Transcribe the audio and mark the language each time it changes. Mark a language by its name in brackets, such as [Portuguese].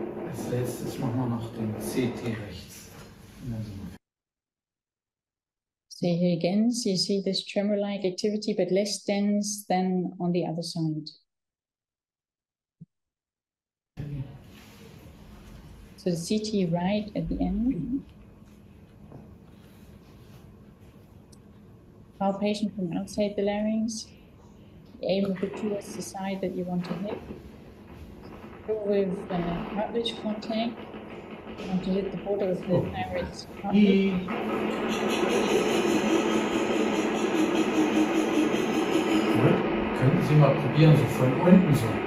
[German] Als letztes machen wir noch den CT rechts. [English] See here again, so you see this tremor-like activity, but less dense than on the other side. So the CT right at the end. Palpation from outside the larynx. The aim of the tool is the side that you want to hit. Fill with the cartilage contact. You want to hit the border of the larynx. [German] Können Sie mal probieren, so von unten so.